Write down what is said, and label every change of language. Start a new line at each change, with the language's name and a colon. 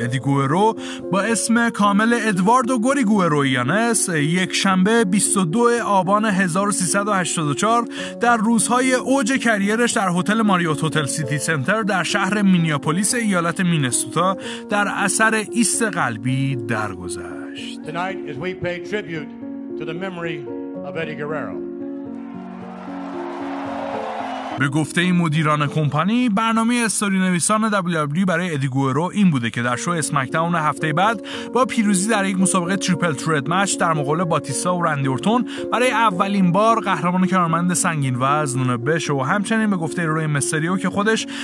Persian: ادی گوئرو با اسم کامل ادواردو گوری گوئرویانس یک شنبه 22 آبان 1384 در روزهای اوج کریرش در هتل ماریوت هتل سیتی سنتر در شهر مینیاپولیس ایالت مینسوتا در اثر ایست قلبی درگذشت.
English: Tonight as we pay tribute to the memory of Eddie Guerrero.
Persian: به گفته این مدیران کمپانی برنامه استوری نویسان WWE برای ادی گوئرو این بوده که در شو اسمکداون هفته بعد با پیروزی در یک مسابقه تریپل ترد مچ در مقابل باتیسا و رندی اورتون برای اولین بار قهرمان کمربند سنگین وزن بشه و همچنین به گفته روی مستریو که خودش